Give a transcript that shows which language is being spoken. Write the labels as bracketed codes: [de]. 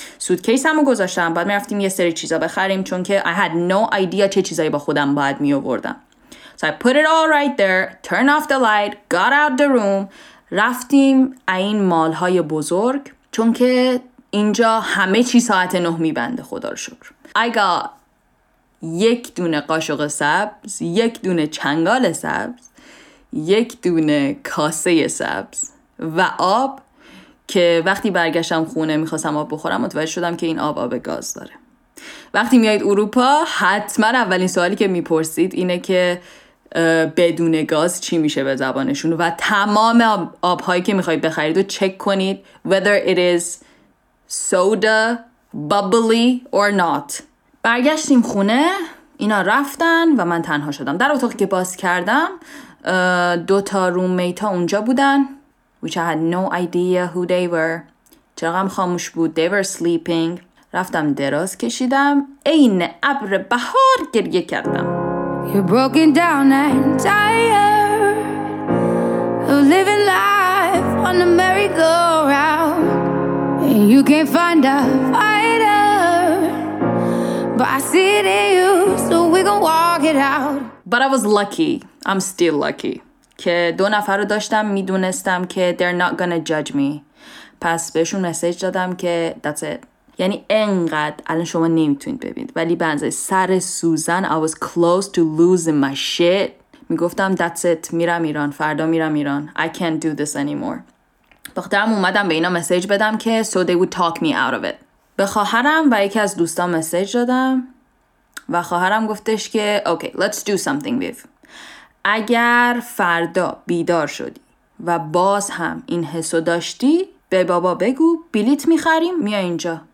[fa] سوتکیسمو گذاشتم، بعد میرفتیم یه سری چیزا بخریم، چون که [en] I had no idea [fa] چه چیزایی با خودم باید میآوردم. [en] So I put it all right there, turn off the light, got out the room. [fa] رفتیم این مال‌های بزرگ، چون که اینجا همه چی ساعت 9 میبنده خدا رو شکر. [en] I got [fa] یک دونه قاشق سبز، یک دونه چنگال سبز، یک دونه کاسه سبز و آب، که وقتی برگشتم خونه میخواستم آب بخورم متوجه شدم که این آب آب گاز داره. وقتی میایید اروپا حتما اولین سوالی که میپرسید اینه که بدون گاز چی میشه به زبانشون، و تمام آبهایی که میخواید بخرید و چک کنید [en] whether it is soda, bubbly or not. [fa] برگشتیم خونه، اینا رفتن و من تنها شدم. در اتاقی که باز کردم دوتا رومیت ها اونجا بودن، [en] which I had no idea who they were. [fa] چراغم خاموش بود. [en] They were sleeping. [fa] رفتم دراز کشیدم، عین ابر بهار گریه کردم. [en] You're broken down and tired of living life on a merry-go-round. You can't find a fighter, but I see it in you, so we gon' walk it out. But I was lucky. I'm still lucky. [fa] که دو نفر رو داشتم، میدونستم که [en] they're not gonna judge me. [fa] پس بهشون مسیج دادم که [en] that's it. [fa] یعنی انقدر الان شما نمیتونید ببینید، ولی بنزه سر سوزن [en] I was close to losing my shit. [fa] میگفتم [en] that's it. [fa] میرم ایران. فردا میرم ایران. [en] I can't do this anymore. [fa] بخاطرم اومدم به اینا مسیج بدم که [en] so they would talk me out of it. [fa] به خواهرم و یکی از دوستان مسیج دادم و خواهرم گفتش که [en] okay, let's do something with. [fa] اگر فردا بیدار شدی و باز هم این حسو داشتی، به بابا بگو بلیت میخریم میای اینجا.